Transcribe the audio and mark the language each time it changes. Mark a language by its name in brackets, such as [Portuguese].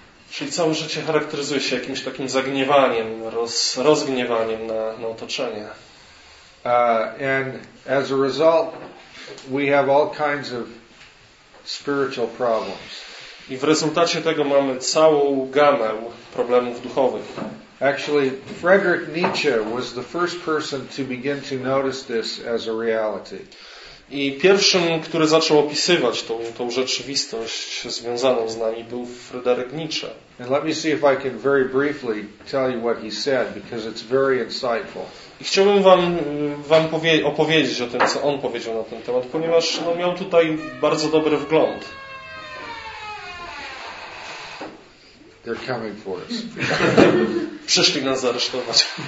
[Polish] Czyli całe życie charakteryzuje się jakimś takim zagniewaniem, rozgniewaniem na otoczenie. [English] And as a result, we have all kinds of spiritual problems. [Polish] I w rezultacie tego mamy całą gamę problemów duchowych. [English] Actually, Friedrich Nietzsche was the first person to begin to notice this as a reality. [Polish] I pierwszym, który zaczął opisywać tą rzeczywistość związaną z nami, był Fryderyk Nietzsche. [English] And let me see if I can very briefly tell you what he said, because it's very insightful. [Polish] I chciałbym wam opowiedzieć o tym, co on powiedział na ten temat, ponieważ no, miał tutaj bardzo dobry wgląd. [English] They're coming for us. [Polish] Przyszli nas zaresztować.